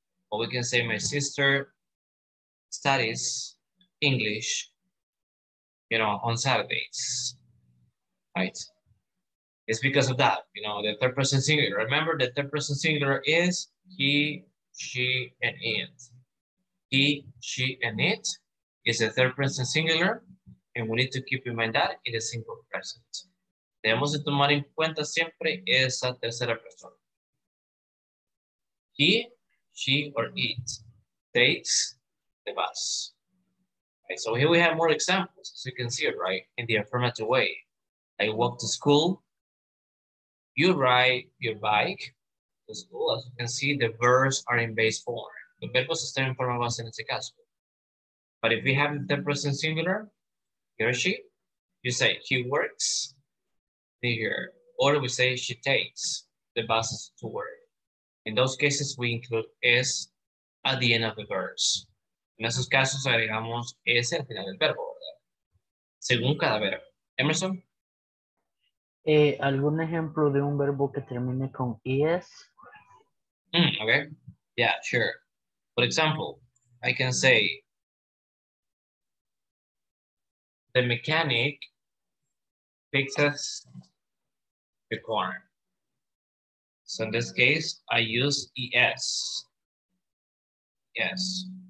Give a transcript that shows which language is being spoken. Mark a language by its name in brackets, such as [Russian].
[English] Or we can say my sister studies English, you know, on Saturdays, right? It's because of that, you know, the third person singular. Remember, the third person singular is he, she, and it. He, she, and it is the third person singular, and we need to keep in mind that it is simple present. [Spanish] Debemos de tomar en cuenta siempre esa tercera persona. [English] He, she, or it takes the bus. Right, so here we have more examples, as you can see, right, in the affirmative way. I walk to school. You ride your bike to school. As you can see, the verbs are in base form. The [Spanish] verbos están en forma base en este caso. [English] But if we have the present singular, he or she, you say he works here. Or we say she takes the bus to work. In those cases, we include S at the end of the verbs. [Spanish] En esos casos, agregamos S al final del verbo, ¿verdad? Según cada verbo. Emerson. ¿Algún ejemplo de un verbo que termine con ES? [English] Okay. Yeah, sure. For example, I can say the mechanic fixes the car. So in this case, I use ES. Yes.